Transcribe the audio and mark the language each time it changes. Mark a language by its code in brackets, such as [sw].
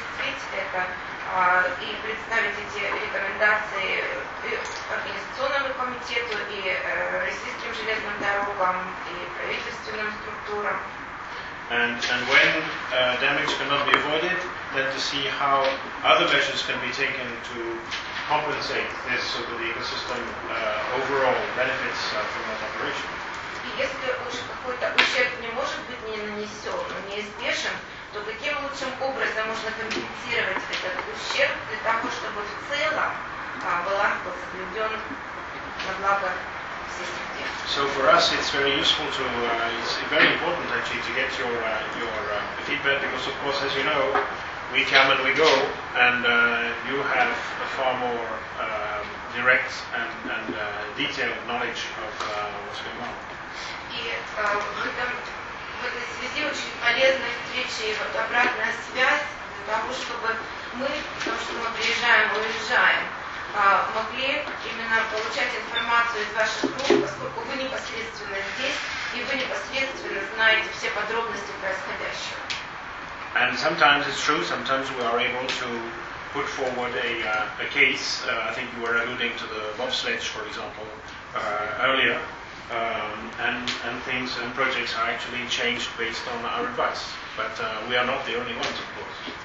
[ru] И представить эти рекомендации и организационному комитету, и российским железным дорогам, и правительственным структурам. [en] And when damage cannot be avoided, then to see how other measures can be taken to compensate this so that the ecosystem overall benefits from that operation. [ru] И если уж какой-то ущерб не может быть не нанесен, неизбежен, то каким лучшим образом можно компенсировать этот ущерб для того, чтобы в целом баланс был соблюден на благо всей системы. [en] So for us it's very useful to, it's very important actually to get your feedback, because of course, as you know, we come and we go, and you have a far more direct and detailed knowledge of what's going on. [ru] В этой связи очень полезна встреча и вот обратная связь для того, чтобы мы, потому что мы приезжаем, уезжаем, могли именно получать информацию из ваших групп, поскольку вы непосредственно здесь и вы непосредственно знаете все подробности происходящего. [en] And sometimes it's true, sometimes we are able to put forward a case. I think you were alluding to the bobsledge, for example, earlier. And things and projects are actually changed based on our advice. But we are not the only ones, of course.